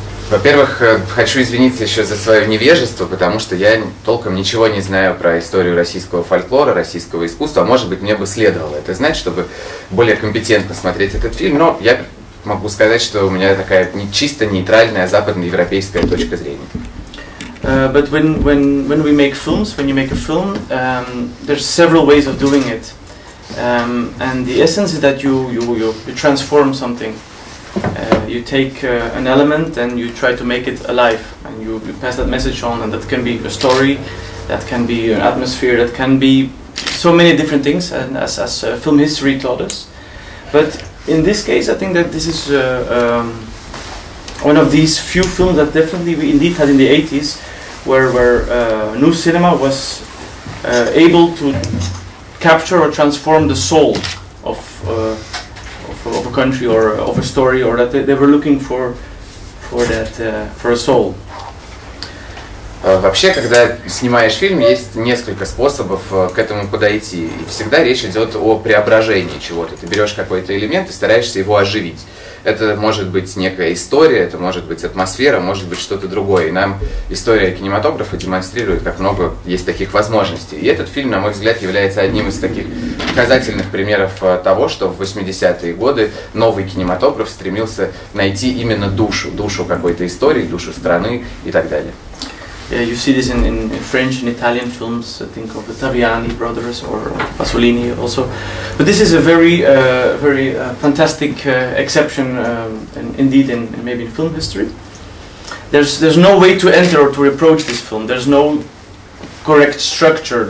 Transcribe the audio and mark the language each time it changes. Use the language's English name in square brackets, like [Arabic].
[Russian] Во-первых, хочу извиниться еще за свое невежество, потому что я толком ничего не знаю про историю российского фольклора, российского искусства. Может быть, мне бы следовало это знать, чтобы более компетентно смотреть этот фильм. Но я могу сказать, что у меня такая чисто нейтральная западноевропейская точка зрения. [English] But when we make films, when you make a film, there's several ways of doing it. And the essence is that you transform something. You take an element and you try to make it alive, and you pass that message on, and that can be a story, that can be an atmosphere, that can be so many different things, and as film history taught us. But in this case, I think that this is one of these few films that definitely we indeed had in the 80s, where new cinema was able to capture or transform the soul of a country or of a story, or that they were looking for a soul. [Russian] Вообще, когда снимаешь фильм, есть несколько способов к этому подойти. И всегда речь идет о преображении чего-то. Ты берешь какой-то элемент и стараешься его оживить. Это может быть некая история, это может быть атмосфера, может быть что-то другое. И нам история кинематографа демонстрирует, как много есть таких возможностей. И этот фильм, на мой взгляд, является одним из таких показательных примеров того, что в 80-е годы новый кинематограф стремился найти именно душу, душу какой-то истории, душу страны и так далее. [English] Yeah, you see this in French and Italian films. I think of the Taviani brothers or Pasolini also. But this is a very fantastic exception, and indeed in maybe in film history. There's no way to enter or to approach this film. There's no correct structure.